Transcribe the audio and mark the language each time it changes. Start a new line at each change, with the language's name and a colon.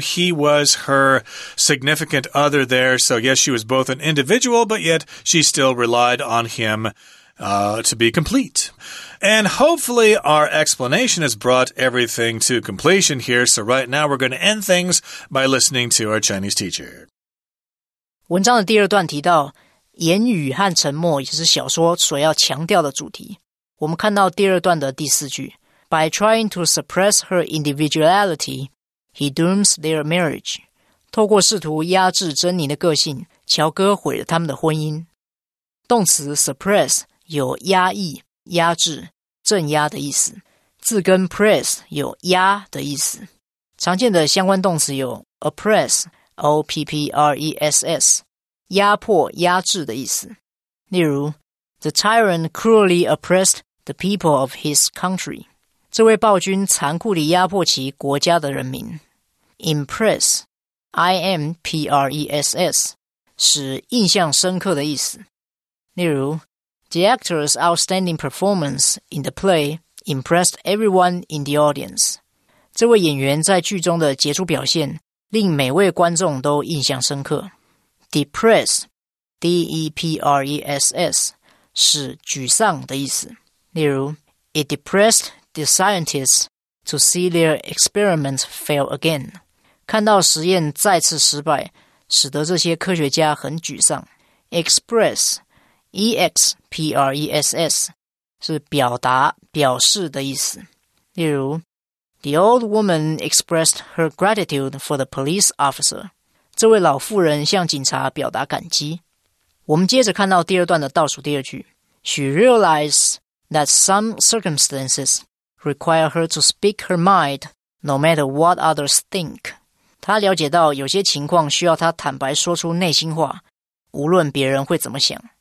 English: He was her significant other there. So, yes, she was both an individual, but yet she still relied on him to be complete. And hopefully our explanation has brought everything to completion here. So right now we're going to end things by listening to our Chinese teacher.
Chinese: 文章的第二段提到言语和沉默也是小说所要强调的主题。我们看到第二段的第四句
English: By trying to suppress her individuality, he dooms their marriage.
Chinese: 透过试图压制珍妮的个性乔哥毁了他们的婚姻。动词 suppress 有压抑、压制、镇压的意思。字根 press 有压的意思。常见的相关动词有
English: oppress, O-P-P-R-E-S-S,
Chinese: 压迫、压制的意思。例如
English: The tyrant cruelly oppressed the people of his country.
Chinese: 这位暴君残酷地压迫其国家的人民。
English: Impress, I-M-P-R-E-S-S,
Chinese: 使印象深刻的意思。例如
English: The actor's outstanding performance in the play impressed everyone in the audience.
Chinese: 这位演员在剧中的杰出表现令每位观众都印象深刻。
English: Depress, D-E-P-R-E-S-S,
Chinese: 使沮丧的意思。例如
English: It depressed the scientists to see their experiment fail again.
Chinese: 看到实验再次失败使得这些科学家很沮丧。
English: Express, E-X-P-R-E-S-S,
Chinese: 是表达、表示的意思。例如
English: The old woman expressed her gratitude for the police officer.
Chinese: 这位老妇人向警察表达感激。我们接着看到第二段的倒数第二句。
English: She realized that some circumstances require her to speak her mind, no matter what others think.
Chinese: 他了解到有些情况需要他坦白说出内心话，无论别人会怎么想。